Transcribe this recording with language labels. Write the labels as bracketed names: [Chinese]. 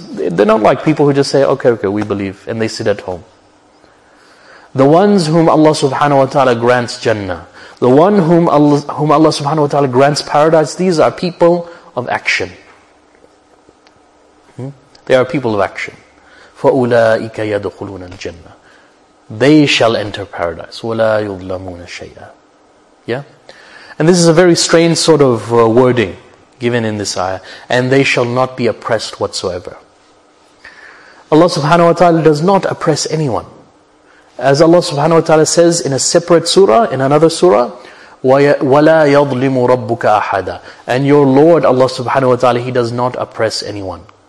[English] they're not like people who just say, okay, we believe, and they sit at home. The ones whom Allah subhanahu wa ta'ala grants Jannah, the one whom Allah subhanahu wa ta'ala grants paradise, these are people of action. They are people of action. [Arabic] فَأُولَٰئِكَ يَدْخُلُونَ الْجَنَّةِ [English] They shall enter paradise. [Arabic] وَلَا يُظْلَمُونَ شَيْئًا Yeah? [English] And this is a very strange sort of wording given in this ayah. And they shall not be oppressed whatsoever. Allah subhanahu wa ta'ala does not oppress anyone. As Allah subhanahu wa ta'ala says in a separate surah, in another surah, [Arabic] وَلَا يَظْلِمُ رَبُّكَ أَحَدًا [English] And your Lord, Allah subhanahu wa ta'ala, He does not oppress anyone.